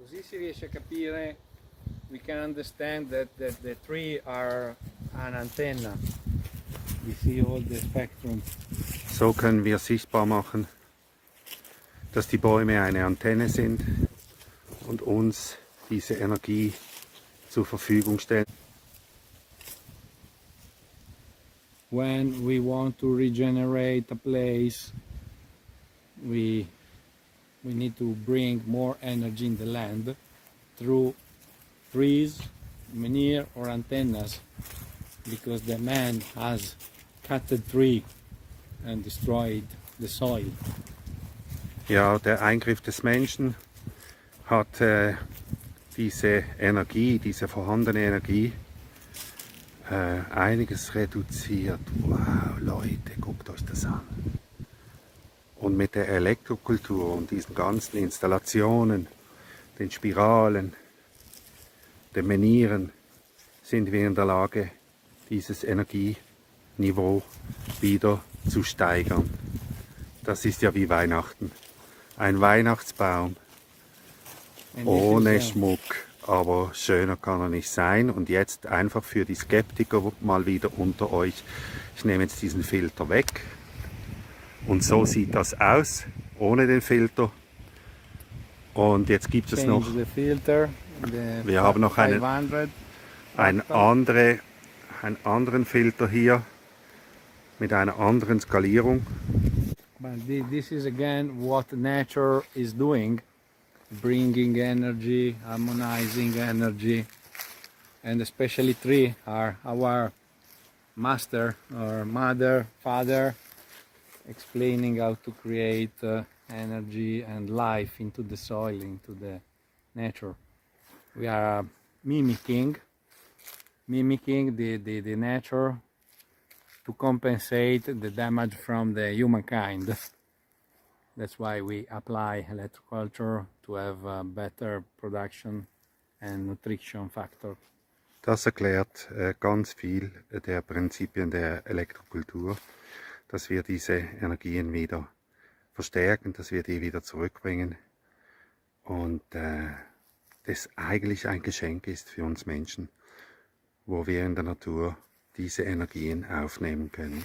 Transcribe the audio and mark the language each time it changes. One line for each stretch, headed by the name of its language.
Italian: Si riesce a capire,
English: we can understand that the tree are an antenna. We see all the spectrum.
German: So können wir sichtbar machen, dass die Bäume eine Antenne sind und uns diese Energie zur Verfügung stellen.
English: when we want to regenerate a place, we need to bring more energy in the land through trees, manure or antennas, because the man has cut the tree and destroyed the soil.
German: Ja, der Eingriff des Menschen hat diese Energie, diese vorhandene Energie, einiges reduziert. Wow, Leute, guckt euch das an. Und mit der Elektrokultur und diesen ganzen Installationen, den Spiralen, den Menieren, sind wir in der Lage, dieses Energieniveau wieder zu steigern. Das ist ja wie Weihnachten. Ein Weihnachtsbaum ohne Schmuck, aber schöner kann er nicht sein. Und jetzt einfach für die Skeptiker mal wieder unter euch, ich nehme jetzt diesen Filter weg. Und so sieht das aus, ohne den Filter. Und jetzt gibt es noch, wir haben noch einen anderen Filter hier mit einer anderen Skalierung.
English: But this is again what nature is doing, bringing energy, harmonizing energy, and especially tree are our master or mother, father, explaining how to create energy and life into the soil, into the nature. We are mimicking the nature to compensate the damage from the humankind. That's why we apply electroculture to have a better production and nutrition factor.
German: Das erklärt ganz viel der Prinzipien der Elektrokultur, dass wir diese Energien wieder verstärken, dass wir die wieder zurückbringen und das eigentlich ein Geschenk ist für uns Menschen, wo wir in der Natur diese Energien aufnehmen können.